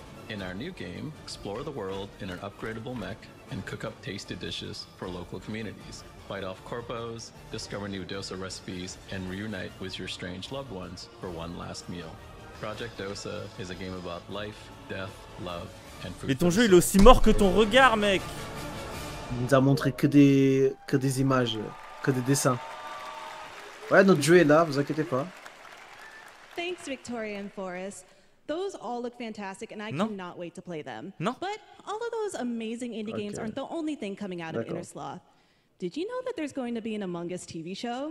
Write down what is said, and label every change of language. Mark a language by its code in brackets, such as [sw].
[en] In our new game, explore the world in an upgradable mech and cook up tasty dishes for local communities. Fight off corpos, discover new DOSA recipes, and reunite with your strange loved ones for one last meal. Project DOSA is a game about life, death, love, and food. [fr] Mais ton jeu, il est aussi mort que ton regard, mec! Il nous a montré que des images, que des dessins. Ouais, notre jeu est là, vous inquiétez pas. [en] Thanks, Victoria and Forrest. Those all look fantastic, and I cannot wait to play them. [fr] Non. [en] But all of those amazing indie games aren't the only thing coming out of Inner Sloth. Did you know that there's going to be an Among Us TV show?